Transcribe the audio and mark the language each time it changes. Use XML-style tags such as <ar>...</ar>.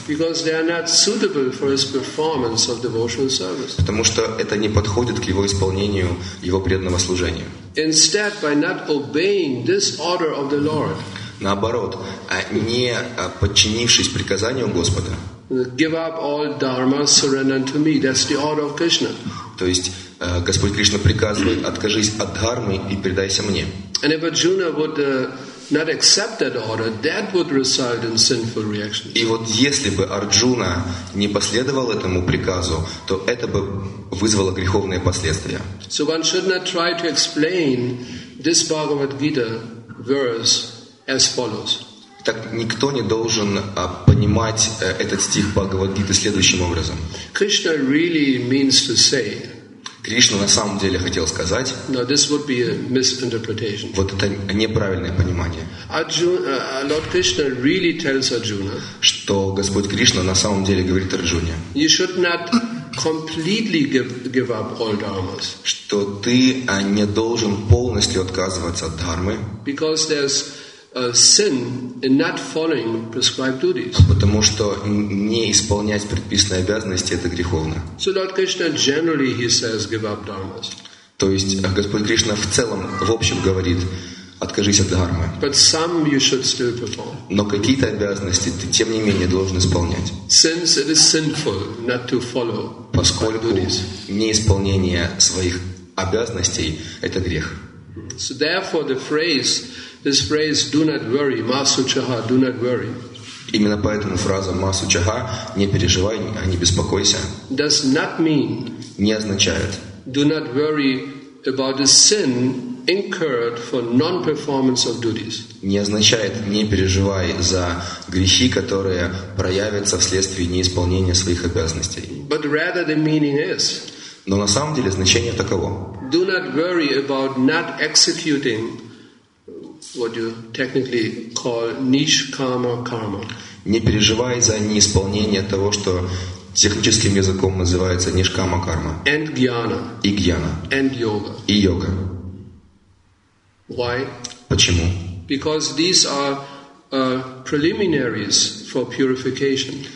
<en>Because they are not suitable for his performance of devotional service.</en> <ru>Потому что это не подходит к его исполнению его преданного служения.</ru> <en>Instead, by not obeying this order of the Lord.</en> <ru>Наоборот, не подчинившись приказанию Господа.</ru> <en>Give up all dharma, surrender to me. That's the order of Krishna.</en> <ru>То есть Господь Кришна приказывает: откажись от дхармы и предайся мне.</ru> <en>And if Arjuna would not accept that order, that would result in sinful reactions.</en> <ru>И вот если бы Арджуна не последовал этому приказу, то это бы вызвало греховные последствия.</ru> <en>So one should not try to explain this Bhagavad Gita verse as follows.</en> <ru>Так никто не должен понимать этот стих Бхагавад-гиты следующим образом.</ru> <en>Krishna really means to say.</en> <ru>Кришна на самом деле хотел сказать.</ru> <en>No, this would be a misinterpretation.</en> <ru>Вот это неправильное понимание.</ru> <en>Lord Krishna really tells Arjuna.</en> <ru>Что Господь Кришна на самом деле говорит Арджуне.</ru> <en>You should not completely give up all dharmas.</en> <ru>Что ты не должен полностью отказываться от дхармы.</ru> <en>Because there's a sin in not following prescribed duties.</en> <ru>Потому что не исполнять предписанные обязанности — это греховно.</ru> <en>So Lord Krishna generally he says give up dharmas.</en> <ru>То есть Господь Кришна в целом, в общем говорит: откажись от дхармы.</ru> <en>But some you should still perform.</en> <ru>Но какие-то обязанности ты тем не менее должен исполнять.</ru> <en>Since it is sinful not to follow prescribed duties.</en> <ru>Поскольку неисполнение своих обязанностей — это грех.</ru> <en>So therefore the phrase This phrase, do not worry, masu chaha, do not worry.</en> <ru>Именно поэтому фраза масу чаха, не переживай, а не беспокойся.</ru> <en>Does not mean.</en> <ru>Не означает.</ru> <en>Do not worry about the sin incurred for non-performance of duties.</en> <ru>Не означает не переживай за грехи, которые проявятся вследствие неисполнения своих обязанностей.</ru> <en>But rather the meaning is.</en> <ru>Но на самом деле значение таково.</ru> <en>Do not worry about not executing what you technically call nishkama karma.</en> <ru>Не переживай за неисполнение того, что техническим языком называется нишкама карма.</ru> <en>And jnana.</en> <ru>И jnana.</ru> <en>And yoga.</en> <ru>И йога.</ru> <en>Why?</en> <ru>Почему?</ru> <en>Because these are preliminaries for purification.</en>